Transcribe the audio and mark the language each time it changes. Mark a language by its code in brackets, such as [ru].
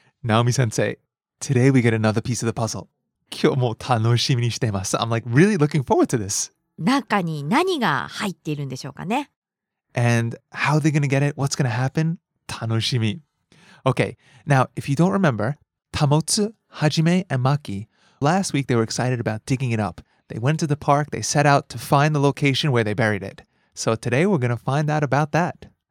[en] Naomi-sensei, today we get another piece of the puzzle. [ja] 今日も楽しみにしています。 [en] I'm like really looking forward to this. [ja] 中に何が入っているんでしょうかね? [en] And how are they going to get it? What's going to happen? [ja] 楽しみ。 [en] Okay, now if you don't remember, Tamotsu, Hajime, and Maki, last week they were excited about digging it up. They went to the park, they set out to find the location where they buried it. So today we're going to find out about that.